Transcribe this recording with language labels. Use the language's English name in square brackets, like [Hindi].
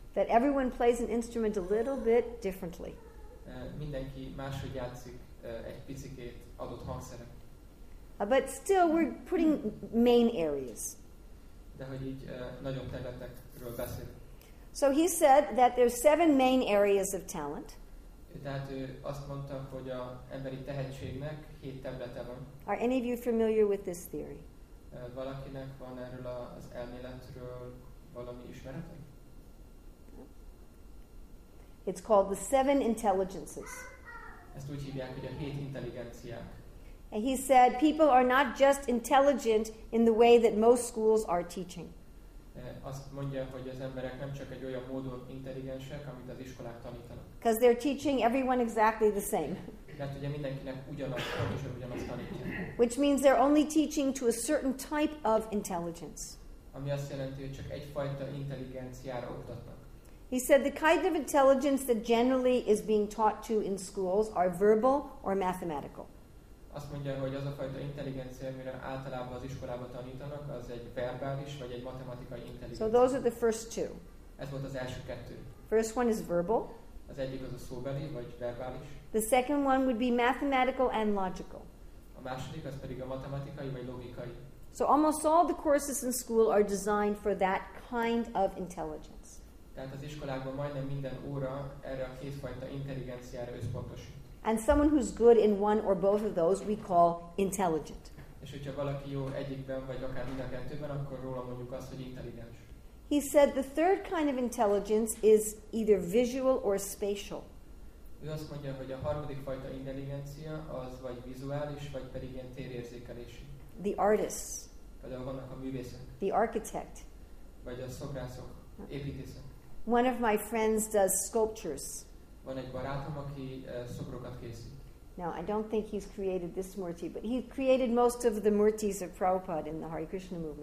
[English] That everyone plays an instrument a little bit differently. [Hungarian] mindenki máshogy játszik egy picikét adott hangszeren. [English] But still, we're putting main areas. [Hungarian] De hogy így nagyobb területekről beszél. [English] So he said that there's seven main areas of talent. [Hungarian] Tehát ő azt mondta, hogy a emberi tehetségnek hét területe van. [English] Are any of you familiar with this theory? [Hungarian] Valakinek van erről az elméletről valami ismerete? [English] It's called the seven intelligences. [Hungarian] Ezt úgy hívják, hogy a hét intelligenciák. [English] And he said people are not just intelligent in the way that most schools are teaching. [Hungarian] Azt mondja, hogy az emberek nem csak egy olyan módon intelligensek, amit az iskolák tanítanak. [English] Because they're teaching everyone exactly the same. [Hungarian] Mert ugye mindenkinek ugyanaz, pontosan ugyanaz tanítják. [English] Which means they're only teaching to a certain type of intelligence. [Hungarian] Ami azt jelenti, hogy csak egyfajta intelligenciára oktatnak. [English] He said the kind of intelligence that generally is being taught to in schools are verbal or mathematical. [Hungarian] Azt mondja, hogy az a fajta intelligencia, amire általában az iskolában tanítanak, az egy verbális vagy egy matematikai intelligencia. [English] So those are the first two. [Hungarian] Ez volt az első kettő. [English] First one is verbal. [Hungarian] Az egyik az a szóbeli vagy verbális. [English] The second one would be mathematical and logical. [Hungarian] A második az pedig a matematikai vagy logikai. [English] So almost all the courses in school are designed for that kind of intelligence. [Hungarian] Tehát az iskolában majdnem minden óra erre a kétfajta intelligenciára összpontosít. [English] And someone who's good in one or both of those we call intelligent. [Hungarian] És hogyha valaki jó egyikben vagy akár mind a kettőben, akkor róla mondjuk azt, hogy intelligens. [English] He said the third kind of intelligence is either visual or spatial. [Hungarian] Ő azt mondja, hogy a harmadik fajta intelligencia az vagy vizuális, vagy pedig ilyen térérzékelési. [English] The artists. [Hungarian] Például vannak a művészek. [English] The architect. [Hungarian] Vagy a szobrászok, építészek. [English] One of my friends does sculptures. [Hungarian] Van egy barátom, aki szobrokat készít. [English] Now, I don't think he's created this murti, but he created most of the murtis of Prabhupada in the Hare Krishna movement.